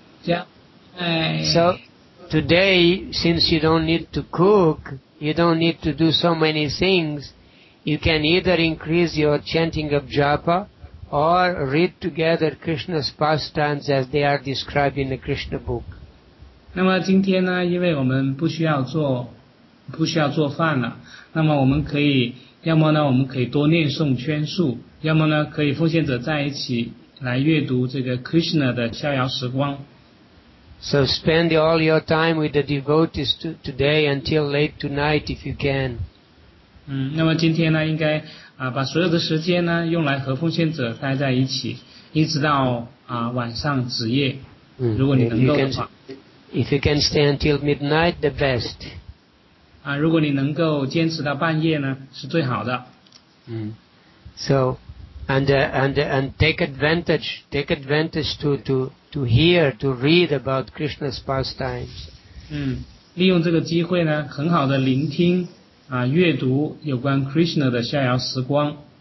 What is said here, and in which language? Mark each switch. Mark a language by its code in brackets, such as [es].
[hi] Jai. [en] So, today, since you don't need to cook, you don't need to do so many things, you can either increase your chanting of japa or read together Krishna's pastimes as they are described in the Krishna book. [zh] 那么今天呢，因为我们不需要做饭了，那么我们可以，要么呢，我们可以多念诵圈数，要么呢，可以奉献者在一起来阅读这个 Krishna 的逍遥时光。 [en] So spend all your time with the devotees today until late tonight if you can. [zh] 那么今天呢应该把所有的时间呢用来和奉献者待在一起一直到晚上子夜。如果你能够的话。 [en] If you can stay until midnight, the best. [zh] 如果你能够坚持到半夜呢是最好的。 [en] So, and take advantage to hear, to read about Krishna's pastimes. [zh] 利用这个机会呢很好的聆听阅读有关 Krishna 的逍遥时光。